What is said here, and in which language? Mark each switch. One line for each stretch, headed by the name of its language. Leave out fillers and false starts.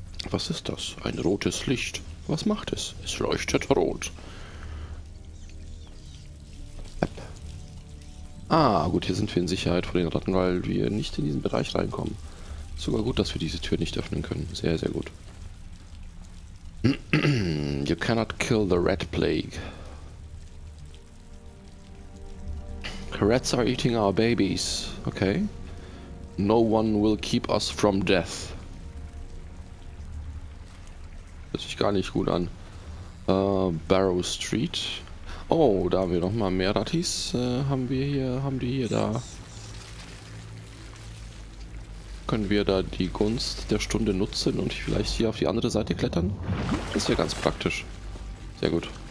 German: Was ist das? Ein rotes Licht. Was macht es? Es leuchtet rot. App. Ah, gut, hier sind wir in Sicherheit vor den Ratten, weil wir nicht in diesen Bereich reinkommen. Ist sogar gut, dass wir diese Tür nicht öffnen können. Sehr, sehr gut.
English: You cannot kill the rat plague. Rats are eating our babies. Okay. No one will keep us from death.
German: Hört sich gar nicht gut an. Barrow Street. Oh, da haben wir noch mal mehr Ratis. Haben wir hier, haben die hier da. Können wir da die Gunst der Stunde nutzen und vielleicht hier auf die andere Seite klettern? Das wäre ganz praktisch. Sehr gut.